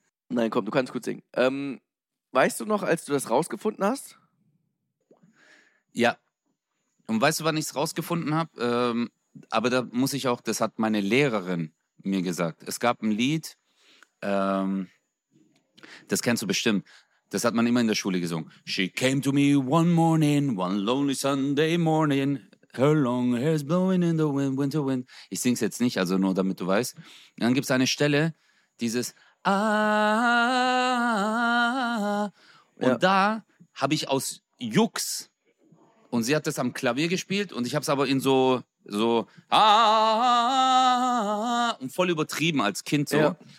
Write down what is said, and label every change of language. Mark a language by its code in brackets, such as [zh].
[de] Nein, komm, du kannst gut singen. Weißt du noch, als du das rausgefunden hast? Ja. Und weißt du, wann ich es rausgefunden habe? Aber da muss ich auch, das hat meine Lehrerin mir gesagt. Es gab ein Lied... das kennst du bestimmt. Das hat man immer in der Schule gesungen. [en] She came to me one morning, one lonely Sunday morning. Her long hair's blowing in the wind, winter wind. [de] Ich sing's jetzt nicht, also nur damit du weißt. Und dann gibt's eine Stelle, dieses ah, und ja. Da habe ich aus Jux, und sie hat das am Klavier gespielt, und ich hab's aber in so ah, und voll übertrieben als Kind so. Ja.